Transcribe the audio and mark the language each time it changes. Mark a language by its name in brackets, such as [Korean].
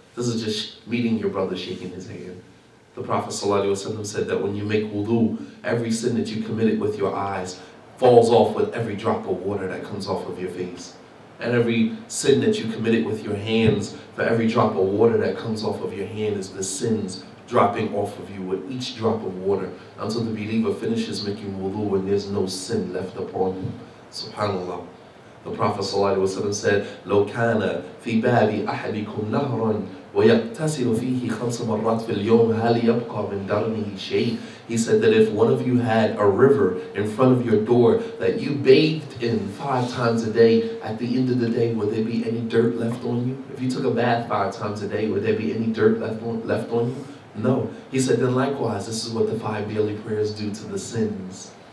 [English] This is just meeting your brother, shaking his hand. The Prophet ﷺ said that when you make wudu, every sin that you committed with your eyes falls off with every drop of water that comes off of your face. And every sin that you committed with your hands, for every drop of water that comes off of your hand, is the sins dropping off of you with each drop of water until the believer finishes making wudu and there's no sin left upon him. SubhanAllah. The Prophet ﷺ said, [Arabic] لو كان في باب أحدكم نهر ويقتسل فيه خمس مرات في اليوم هل يبقى من درنه شيء. [English] He said that if one of you had a river in front of your door that you bathed in five times a day, at the end of the day, would there be any dirt left on you? If you took a bath five times a day, would there be any dirt left on you? No. He said, then likewise, this is what the five daily prayers do to the sins.